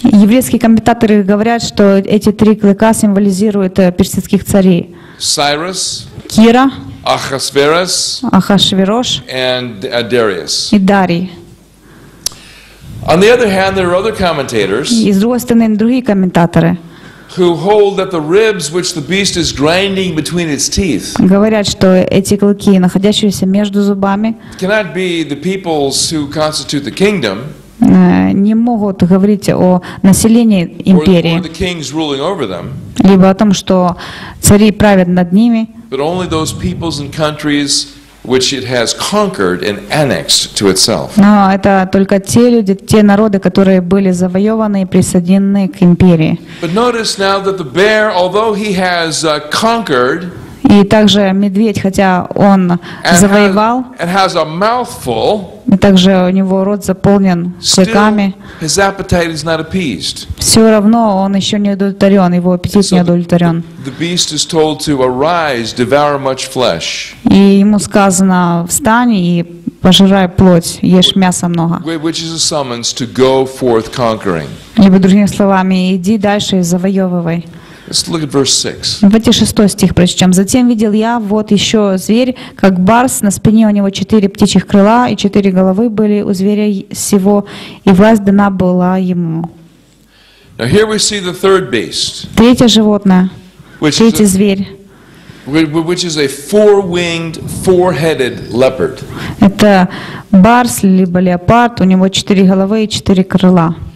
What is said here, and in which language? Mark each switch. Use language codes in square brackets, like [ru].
[ru] Еврейские комментаторы говорят, что эти три клыка символизируют персидских царей. [en] Cyrus, [ru] Кира, Ахашверос, Ахашверош, [en] and Darius. [ru] И Дарий. [en] On the other hand, there are other commentators. [ru] И с другой стороны, другие комментаторы. [en] Who hold that the ribs which the beast is grinding between its teeth? [ru] Говорят, что эти клыки, находящиеся между зубами, [en] cannot be the peoples who constitute the kingdom. [ru] Не могут говорить о населении империи. [en] Or the kings ruling over them. [ru] Либо о том, что цари правят над ними. [en] But only those peoples and countries which it has conquered and annexed to itself. [ru] Но это только те люди, те народы, которые были завоеваны и присоединены к империи. [en] But notice now that the bear, although he has conquered, [ru] и также медведь, хотя он завоевал, [en] and has a mouthful, [ru] и также у него рот заполнен клыками, [en] still his appetite is not appeased. [ru] Все равно он еще не удовлетворен, его аппетит не удовлетворен. [en] The beast is told to arise, devour much flesh. [ru] И ему сказано: встань и пожирай плоть, ешь мяса много. [en] Which is a summons to go forth conquering. [ru] Либо другими словами: иди дальше и завоевывай. [en] Let's look at verse 6. [ru] Давайте шестой стих прочтем. Затем видел я вот еще зверь, как барс, на спине у него четыре птичьих крыла и четыре головы были у зверя сего, и власть дана была ему. [en] Now here we see the third beast. [ru] Третье животное. Третий зверь. [en] Which is a four-winged, four-headed leopard. [ru] Это барс либо леопард, у него четыре головы и четыре крыла.